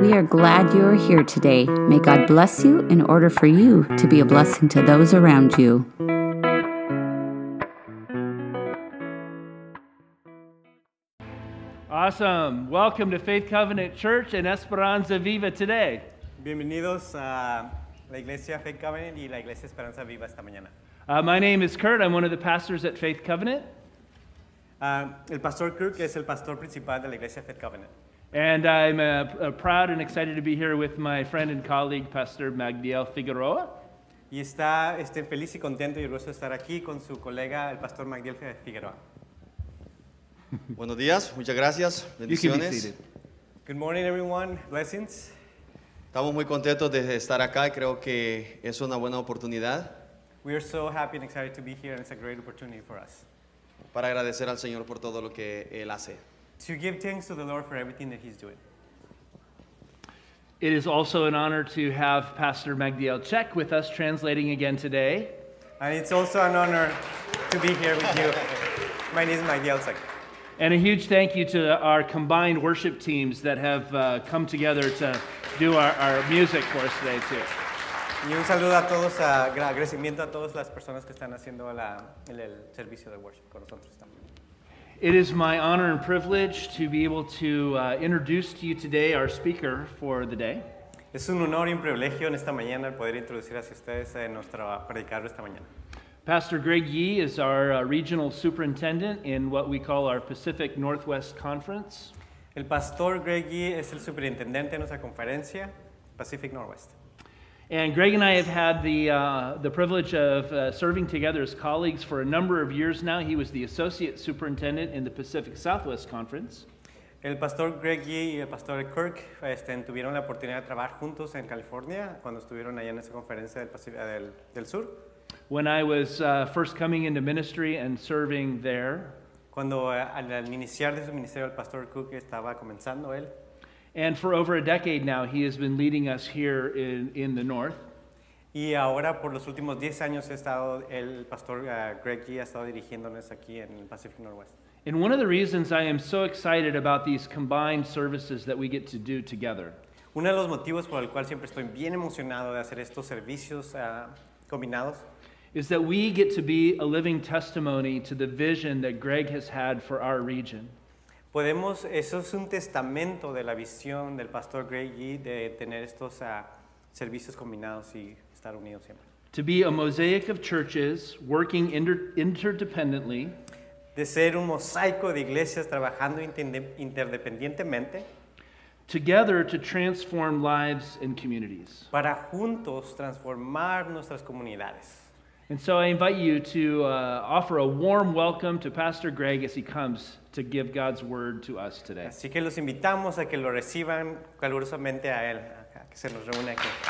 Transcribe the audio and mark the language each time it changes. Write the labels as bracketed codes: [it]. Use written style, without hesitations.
[en] We are glad you are here today. May God bless you in order for you to be a blessing to those around you. Awesome. Welcome to Faith Covenant Church in Esperanza Viva today. [es] Bienvenidos a la Iglesia Faith Covenant y la Iglesia Esperanza Viva esta mañana. [en] My name is Kurt. I'm one of the pastors at Faith Covenant. [es] El pastor Kurt que es el pastor principal de la Iglesia Faith Covenant. [en] And I'm proud and excited to be here with my friend and colleague, Pastor Magdiel Figueroa. [es] Y está feliz y contento y orgulloso de estar aquí con su colega, el pastor Magdiel Figueroa. Buenos días, muchas gracias, bendiciones. [en] Good morning, everyone. Blessings. [es] Estamos muy contentos de estar acá. Creo que es una buena oportunidad. [en] We are so happy and excited to be here, and it's a great opportunity for us. [es] Para agradecer al Señor por todo lo que Él hace. [en] To give thanks to the Lord for everything that He's doing. It is also an honor to have Pastor Magdiel Check with us translating again today. And it's also an honor to be here with you. My name is Magdiel Check. And a huge thank you to our combined worship teams that have come together to do our music for us today too. [es] Y un saludo a todos, agradecimiento a todas las personas que están haciendo el servicio de worship con nosotros también. [en] It is my honor and privilege to be able to introduce to you today our speaker for the day. [es] Es un honor y un privilegio en esta mañana poder introducir a ustedes a nuestro predicador esta mañana. [en] Pastor Greg Yee is our regional superintendent in what we call our Pacific Northwest Conference. [es] El pastor Greg Yee es el superintendente en nuestra conferencia Pacific Northwest. [en] And Greg and I have had the privilege of serving together as colleagues for a number of years now. He was the associate superintendent in the Pacific Southwest Conference. [es] El pastor Greg Yee y el pastor Kirk tuvieron la oportunidad de trabajar juntos en California cuando estuvieron allá en esa conferencia del sur. [en] When I was first coming into ministry and serving there, [es] cuando al iniciar de su ministerio el pastor Cook estaba comenzando él, [en] and for over a decade now he has been leading us here in the north. [es] Y ahora por los últimos 10 años ha estado el pastor Greg Yee ha estado dirigiéndonos aquí en el Pacific Northwest. [en] And one of the reasons I am so excited about these combined services that we get to do together. [es] Uno de los motivos por el cual siempre estoy bien emocionado de hacer estos servicios combinados. [en] Is that we get to be a living testimony to the vision that Greg has had for our region. [es] Podemos, eso es un testamento de la visión del pastor Greg Yee de tener estos servicios combinados y estar unidos siempre. [en] To be a mosaic of churches working interdependently. [es] De ser un mosaico de iglesias trabajando interdependientemente. [en] Together to transform lives and communities. [es] Para juntos transformar nuestras comunidades. [en] And so I invite you to offer a warm welcome to Pastor Greg as he comes to give God's word to us today. [es] Así que los invitamos a que lo reciban calurosamente a él, a que se nos reúna aquí.